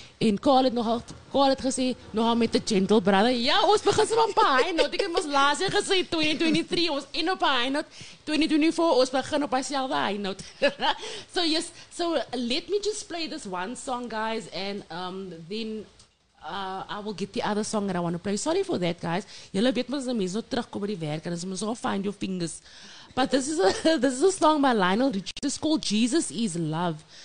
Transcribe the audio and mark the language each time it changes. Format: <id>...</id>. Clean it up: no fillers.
<af>En Carl het gesê, nogal met the Gentle Brother. Ja, ons begin van op high note. Ek het ons laatste gesê, 2023, ons in op high note. 2024, ons begin op dieselfde high note.</af> <en>So yes, so let me just play this one song, guys, and then I will get the other song that I want to play. Sorry for that, guys.</en> <af>Julle weet, maar as die mens nou</af> <en>terugkom by die werk, en as die mens nou find your fingers. But this is a song by Lionel Richie. It's called Jesus is Love.</en>